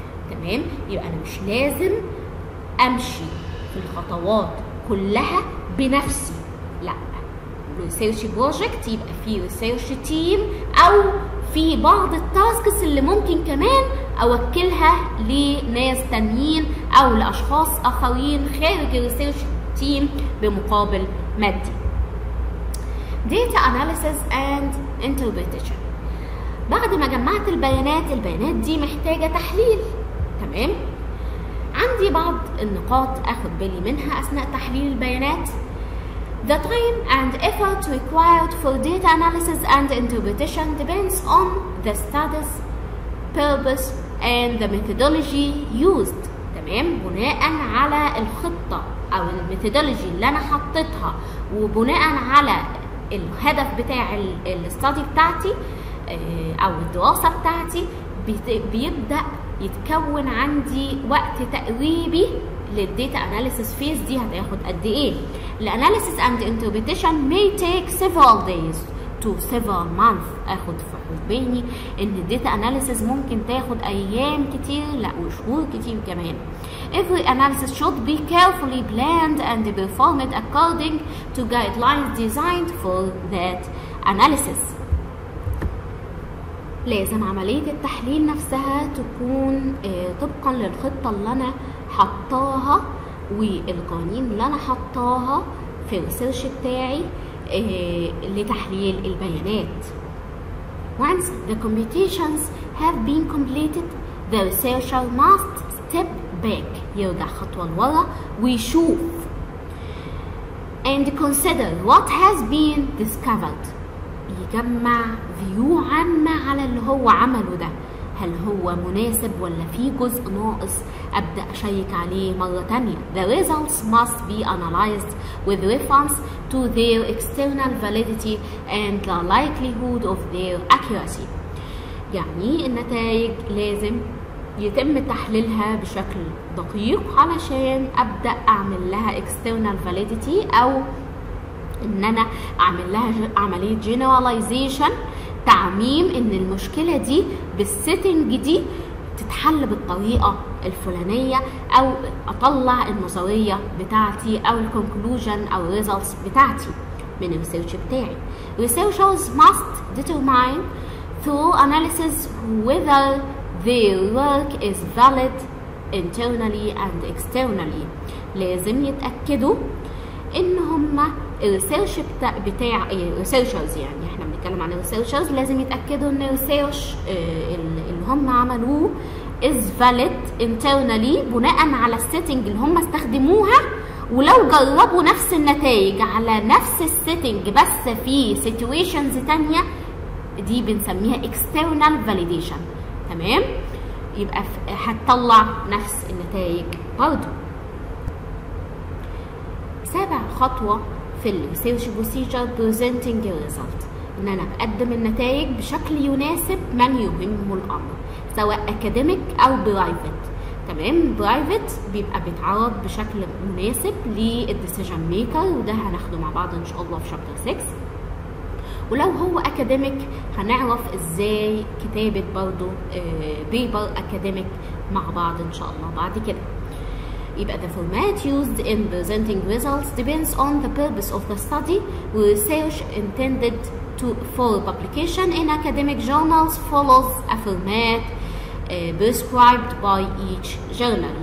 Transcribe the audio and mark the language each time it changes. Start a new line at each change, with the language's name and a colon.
Arabic: تمام، يبقى انا مش لازم امشي في الخطوات كلها بنفسي، لا، ريسيرش بروجكت يبقى في ريسيرش تيم او في بعض التاسكس اللي ممكن كمان اوكلها لناس تانيين او لاشخاص اخرين خارج الريسيرش تيم بمقابل مادي.
English: Data analysis and interpretation.
Arabic: بعد ما جمعت البيانات، البيانات دي محتاجة تحليل. تمام؟ عندي بعض النقاط أخذ بالي منها أثناء تحليل البيانات.
English: The time and effort required for data analysis and interpretation depends on the status, purpose and the methodology used.
Arabic: تمام؟ بناء على الخطة أو الميثودولوجي اللي أنا حطيتها وبناء على الهدف بتاع الستادي بتاعتي او الدراسة بتاعتي، بيبدأ يتكون عندي وقت تقريبي للديتا اناليسيس فيز دي هتاخد قد ايه.
English: الاناليسيس and interpretation may take several days to several months.
Arabic: اخد في حسباني ان الديتا اناليسيس ممكن تاخد ايام كتير، لا، وشهور كتير كمان.
English: Every analysis should be carefully planned and performed according to guidelines designed for that analysis.
Arabic: لازم عملية التحليل نفسها تكون طبقا للخطة اللي انا حطاها والقوانين اللي انا حطاها في الريسيرش بتاعي لتحليل البيانات.
English: Once the computations have been completed, the researcher must step back.
Arabic: يرجع خطوة لورا ويشوف and consider what has been discovered. يجمع فيو عامة على اللي هو عمله ده، هل هو مناسب ولا في جزء ناقص أبدأ أشيك عليه مرة تانية.
English: The results must be analyzed with reference to their external validity and the likelihood of their accuracy.
Arabic: يعني النتائج لازم يتم تحليلها بشكل دقيق علشان أبدأ أعمل لها external validity أو إن أنا أعمل لها عملية generalization، تعميم إن المشكلة دي بالسيتنج دي تتحل بالطريقة الفلانية، أو أطلع النظرية بتاعتي أو الكونكلوجن أو results بتاعتي من الريسيرش بتاعي.
English: Researchers must determine through analysis whether their work is valid internally and externally.
Arabic: لازم يتأكدوا إن هما الريسيرش بتاع الريسيرشرز، يعني احنا بنتكلم عن الريسيرشرز، لازم يتأكدوا إن الريسيرش اللي هما عملوه is valid internally بناء على السيتنج اللي هما استخدموها. ولو جربوا نفس النتائج على نفس السيتنج بس في سيتويشنز تانية، دي بنسميها external validation. تمام، يبقى هتطلع نفس النتائج برضو. سابع خطوة في الـ Research Procedure Presenting Result، إن أنا بقدم النتائج بشكل يناسب من يهمه الأمر، سواء أكاديميك أو برايفت. تمام، برايفت بيبقى بيتعرض بشكل مناسب للـ Decision Maker، وده هناخده مع بعض إن شاء الله في Chapter 6. ولو هو اكاديميك هنعرف ازاي كتابه برضو بيبر اكاديميك مع بعض ان شاء الله بعد كده.
English: يبقى the format used in presenting results depends on the purpose of the study research intended to for publication in academic journals follows a format prescribed by each journal.